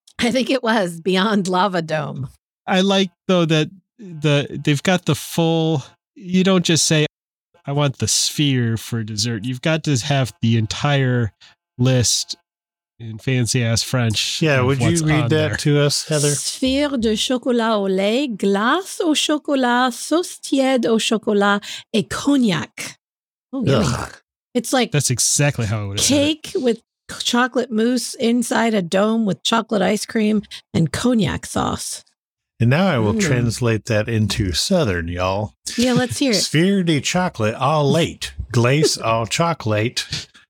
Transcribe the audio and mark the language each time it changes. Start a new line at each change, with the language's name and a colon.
English: I think it was Beyond Lava Dome. I like, though, that they've got the full, you don't just say, I want the sphere for dessert. You've got to have the entire list in fancy ass French. Yeah, would you read that there to us, Heather?
French: Sphere de chocolat au lait, glace au chocolat, sauce tiède au chocolat, et cognac.
English: Oh, yeah. It's like that's exactly how it would cake have with chocolate mousse inside a dome with chocolate ice cream and cognac sauce. And now I will translate that into Southern, y'all. Yeah, let's hear it.
French: Sphere de chocolat au lait, glace au chocolat.